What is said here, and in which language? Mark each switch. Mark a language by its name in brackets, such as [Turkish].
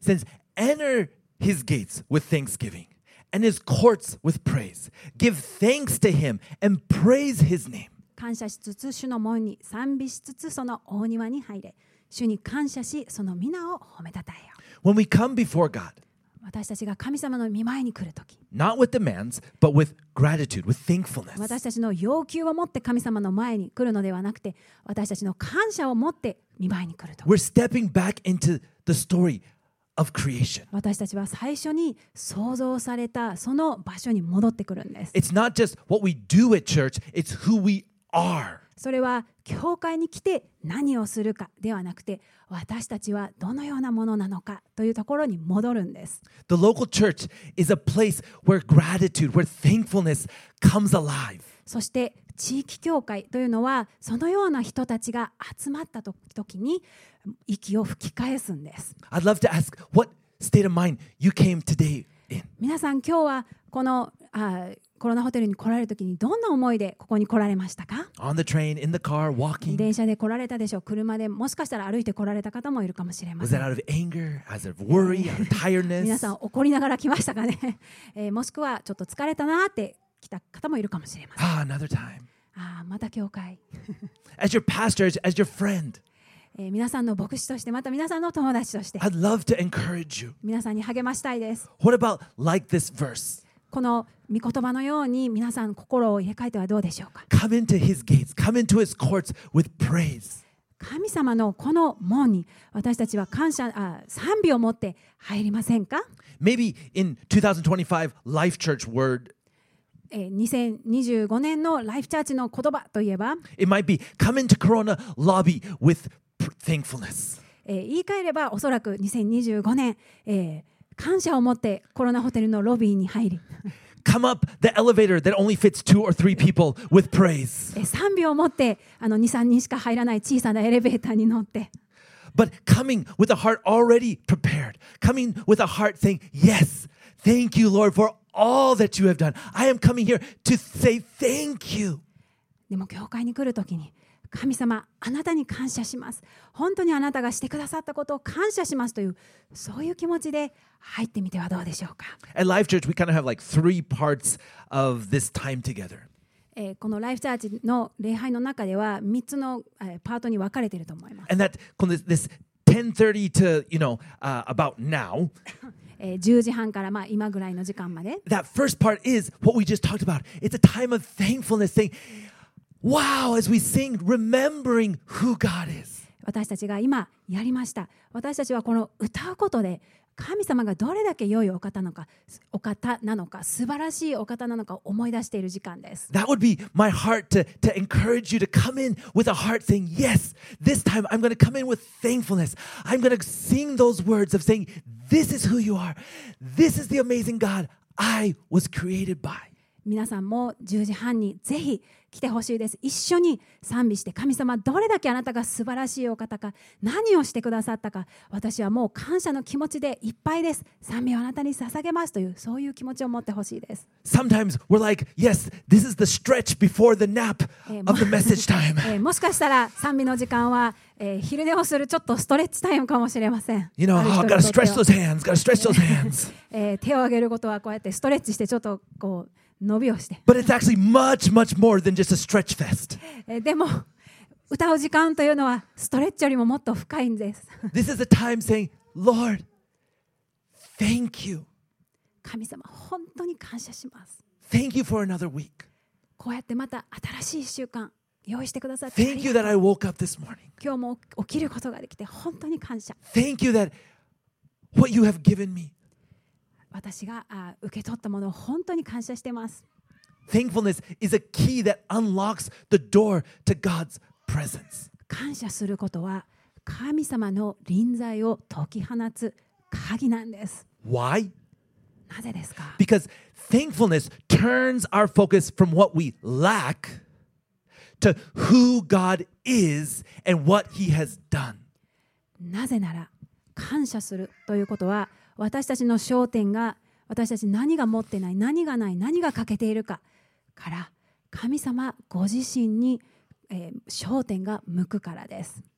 [English] Since enter his gates with thanksgiving and his courts with praise, give thanks to him and praise his name. [Japanese] 感謝しつつ主の門に賛美しつつその大庭に入れ、主に感謝しその皆を褒めたたえよ。 [English] When we come before God, [Japanese] 私たちが神様の御前に来るとき、 [English] not with demands, but with gratitude, with thankfulness. [Japanese] 私たちの要求を持って神様の前に来るのではなくて、私たちの感謝を持って御前に来ると。 [English] We're stepping back into the story of creation. [Japanese] 私たちは最初に創造されたその場所に戻ってくるんです。 [English] It's not just what we do at church, it's who we are. [Japanese] それは教会に来て何をするかではなくて、私たちはどのようなものなのかというところに戻るんです。 [English] The local church is a place where gratitude, where thankfulness comes alive. [Japanese] そして地域教会というのは、そのような人たちが集まった時に息を吹き返すんです。 [English] I'd love to ask what state of mind you came today in. [Japanese] 皆さん今日はこのコロナホテルに来られるときにどんな思いでここに来られましたか？ [English] On the train, in the car, walking. [Japanese] 電車で来られたでしょう。車でもしかしたら歩いて来られた方もいるかもしれません。 [English] Was that out of anger, out of worry, out of tiredness? [Japanese] 皆さん怒りながら来ましたかね？もしくはちょっと疲れたなって来た方もいるかもしれません。 [English] Ah, another time. [Japanese] ああ、また教会。 [English] As your pastor, as your friend. [Japanese] 皆さんの牧師として、また皆さんの友達として。 [English] I'd love to encourage you. [Japanese] 皆さんに励ましたいです。 [English] What about like this verse? [Japanese] この御言葉のように皆さん心を入れ替えてはどうでしょうか。 [English] Come into his gates, come into his courts with praise. [Japanese] 神様のこの門に私たちは感謝、賛美を持って入りませんか。 [English] Maybe in 2025 Life Church word. [Japanese] 2025年のLife Churchの言葉といえば、 [English] It might be come into Corona lobby with thankfulness. [Japanese] 言い換えればおそらく2025年、感謝を持ってコロナホテルのロビーに入り、 [English] Come up the elevator that only fits two or three people with praise. [Japanese] 賛美を持って2、3人しか入らない小さなエレベーターに乗って、 [English] But coming with a heart already prepared, coming with a heart saying, Yes, thank you, Lord, for all that you have done. I am coming here to say thank you. [Japanese] でも教会に来るときに、神様、あなたに感謝します。本当にあなたがしてくださったことを感謝しますという、そういう気持ちで入ってみてはどうでしょうか。 [English] At Life Church, we kind of have like three parts of this time together. [Japanese] このLife Churchの礼拝の中では3つのパートに分かれていると思います。 [English] And that, [Japanese] この [English] this 10:30 to, you know, about now. [Japanese] 10時半からまあ今ぐらいの時間まで。 [English] That first part is what we just talked about. It's a time of thankfulness thing. Wow, as we sing, remembering who God is. [Japanese] 私たちが今やりました。私たちはこの歌うことで神様がどれだけ良いお方なのか、お方なのか、素晴らしいお方なのか思い出している時間です。 [English] That would be my heart to encourage you to come in with a heart saying, Yes, this time I'm going to come in with thankfulness. I'm going to sing those words of saying, This is who you are. This is the amazing God I was created by. [Japanese] 皆さんも10時半にぜひ来てほしいです。一緒に賛美して、神様どれだけあなたが素晴らしいお方か、何をしてくださったか、私はもう感謝の気持ちでいっぱいです。賛美をあなたに捧げますという、そういう気持ちを持ってほしいです。 [English] Sometimes we're like, yes, this is the stretch before the nap of the message time. [Japanese] もしかしたら賛美の時間は、昼寝をするちょっとストレッチタイムかもしれません。 [English] You know, I've got to stretch those hands, got to stretch those hands. [Japanese] 手を挙げることはこうやってストレッチしてちょっとこう、伸びをして。 [English] But it's actually much, much more than just a stretch fest. [Japanese] でも、歌う時間というのはストレッチよりももっと深いんです。 [English] This is a time saying, Lord, thank you. [Japanese] 神様、本当に感謝します。 [English] Thank you for another week. [Japanese] こうやってまた新しい週間用意してくださって。 [English] Thank you that I woke up this morning. [Japanese] 今日も起きることができて本当に感謝。 [English] Thank you that what you have given me. [Japanese] 私が受け取ったものを本当に感謝しています。 [English] Thankfulness is a key that unlocks the door to God's presence. [Japanese] 感謝することは神様の臨在を解き放つ鍵なんです。 [English] Why? [Japanese] なぜですか? [English] Because thankfulness turns our focus from what we lack to who God is and what He has done. [Japanese] なぜなら感謝するということは私たちの焦点が私たち何が持ってない、何がない、何が欠けているかから神様ご自身に焦点が向くからです。